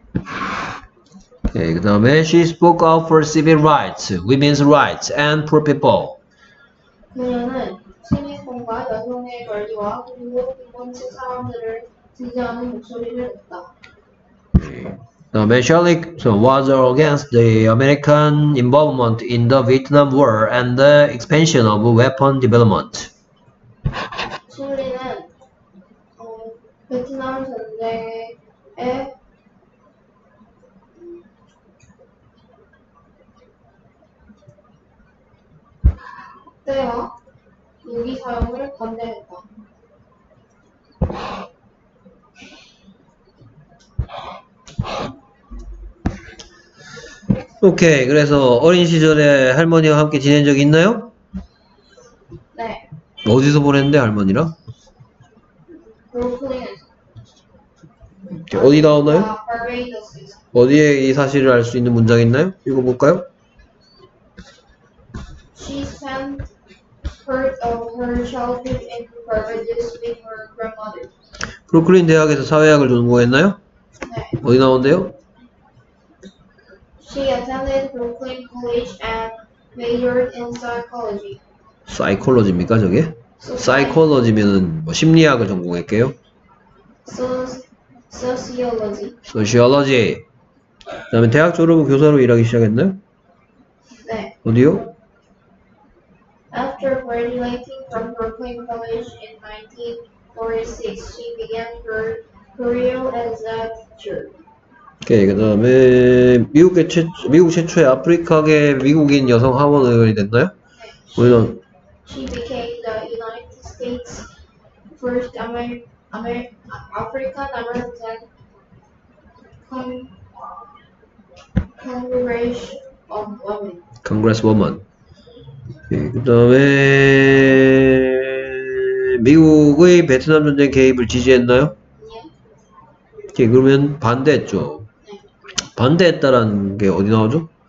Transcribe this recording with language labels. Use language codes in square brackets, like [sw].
[ko] 오케이, 그다음에 [en] she spoke out for civil rights, women's rights, and poor people. [ko] 그녀는 시민권과 여성의 권리와 그리고 빈곤층 사람들을 지지하는 목소리를 냈다. 그 다음에 [en] Shirley was against the American involvement in the Vietnam War and the expansion of weapon development. [ko] 슐리는 베트남 전쟁에 확대와 무기 사용을 반대했다. 오케이. 그래서 어린 시절에 할머니와 함께 지낸 적이 있나요? 어디서 보냈는데 할머니랑? 브루클린에서. 어디 나오나요? 어디에 이 사실을 알 수 있는 문장이 있나요? 읽어볼까요? [en] She spent part of her childhood in Barbados with her grandmother. [ko] 브루클린 대학에서 사회학을 전공했나요? 네. 어디 나오는데요? [en] She attended Brooklyn College and majored in psychology. [ko] 사이콜로지입니까 저게? 사이콜로지면은 뭐 심리학을 전공할게요. [en] Sociology. [ko] 그 다음에 대학 졸업 후 교사로 일하기 시작했나요? 네. 어디요? [en] After graduating from Brooklyn College in 1946, she began her career as a teacher. [ko] 오케이, 그 다음에 미국 최초의 아프리카계 미국인 여성 하원 의원이 됐나요? 네. 우리는 [en] She became the United States' first African American Congresswoman. [ko] 네, 그 다음에 미국의 베트남 전쟁 개입을 지지했나요? 네. 네, 그러면 반대했죠. 네. 반대했다라는 게 어디 나오죠?